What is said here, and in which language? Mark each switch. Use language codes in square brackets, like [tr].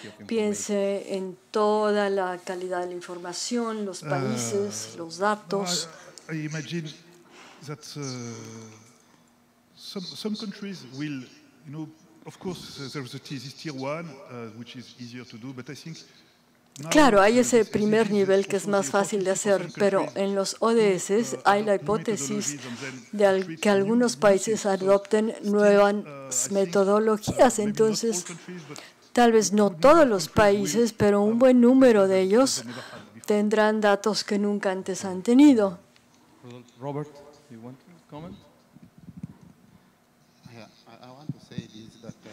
[es] Piense en toda la calidad de la información, los países, los datos. [en] I imagine that some countries will, you know, of course, there is a tier one, which is easier to do, but I think. [es] Claro, hay ese primer nivel que es más fácil de hacer, pero en los ODS hay la hipótesis de que algunos países adopten nuevas metodologías. Entonces, tal vez no todos los países, pero un buen número de ellos tendrán datos que nunca antes han tenido. [en] Robert, you want to comment? Yeah, I want to say this, that,